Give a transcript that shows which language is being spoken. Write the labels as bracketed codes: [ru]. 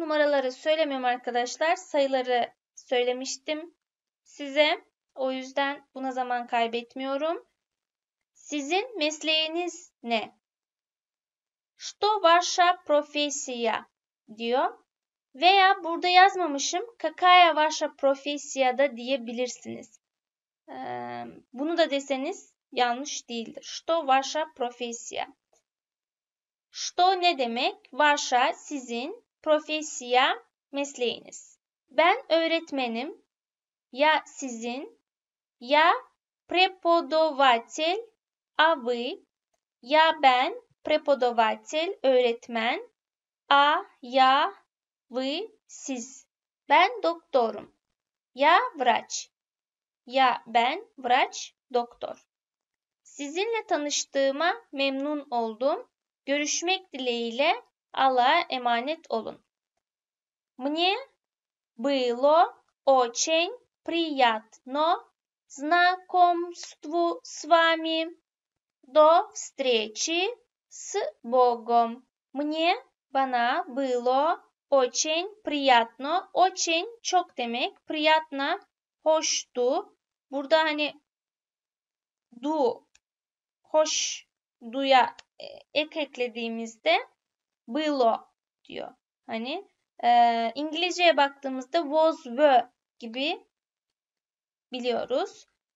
[tr] Numaraları söylemiyorum arkadaşlar. Sayıları söylemiştim size. O yüzden buna zaman kaybetmiyorum. Sizin mesleğiniz ne? [ru] Что ваша профессия? [tr] Diyor. Veya burada yazmamışım. [ru] Какая ваша профессия [tr] da diyebilirsiniz. [ru] Bunu da deseniz yanlış değildir. Что ваша профессия? Что [tr] ne demek? [ru] Ваша [tr] sizin, [ru] профессия [tr] mesleğiniz. Ben öğretmenim. [ru] Ya [tr] sizin, [ru] ya преподаватель, а вы, ya [tr] ben [ru] преподаватель, [tr] öğretmen, [ru] а я вы, [tr] siz. Ben doktorum. [ru] Ya врач. Ya [tr] ben [ru] врач, [tr] doktor. Sizinle tanıştığıma memnun oldum. Görüşmek dileğiyle, Allah'a emanet olun. [ru] Мне было очень приятно знакомству с вами. До встречи с Богом. Мне [tr] bana [ru] было очень приятно. Очень [tr] çok demek. [ru] Приятно [tr] hoştu. Burada hani du hoş duya ek eklediğimizde было diyor. Hani İngilizceye baktığımızda was were gibi biliyoruz.